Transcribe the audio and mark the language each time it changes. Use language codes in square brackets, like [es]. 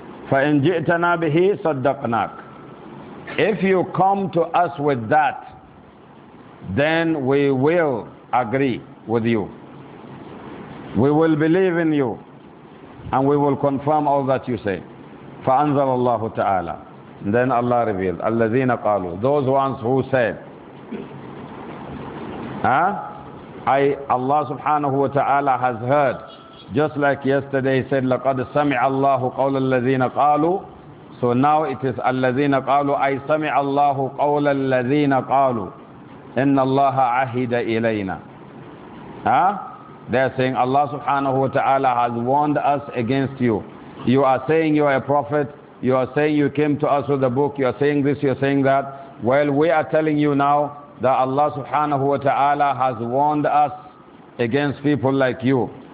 [ar] فإن جئتنا به صدقناك, [en] if you come to us with that, then we will agree with you, we will believe in you, and we will confirm all that you say. [ar] فَأَنْزَلَ اللَّهُ تَعَالَى, [en] then Allah revealed, [ar] الَّذِينَ قَالُوا, [en] those ones who said, Allah subhanahu wa ta'ala has heard, just like yesterday he said, [ar] لَقَدْ سَمِعَ اللَّهُ قَوْلَ الَّذِينَ قَالُوا, [en] so now it is [ar] الَّذِينَ قَالُوا, أي سَمِعَ اللَّهُ قَوْلَ الَّذِينَ قَالُوا, إن الله عهد إلينا. [en] They are saying Allah subhanahu wa ta'ala has warned us against you. You are saying you are a prophet. You are saying you came to us with a book. You are saying this, you are saying that. Well, we are telling you now that Allah subhanahu wa ta'ala has warned us against people like you.